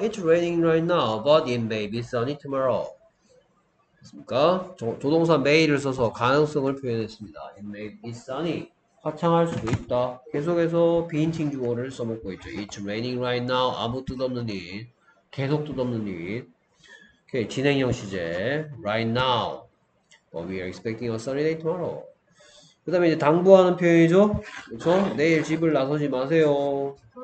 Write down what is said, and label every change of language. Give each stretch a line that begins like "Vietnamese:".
English: It's raining right now, but it may be sunny tomorrow.
Korean: 습니까? 조동사 may를 써서 가능성을 표현했습니다.
English: It may be sunny.
Korean: 화창할 수도 있다. 계속해서 비인칭주어를 써먹고 있죠.
English: It's raining right now.
Korean: 아무 뜻 없는 일. 계속 뜻 없는 일. 오케이, 진행형 시제.
English: Right now. But we are expecting a sunny day tomorrow.
Korean: 그 다음에 이제 당부하는 표현이죠. 그렇죠? 내일 집을 나서지 마세요.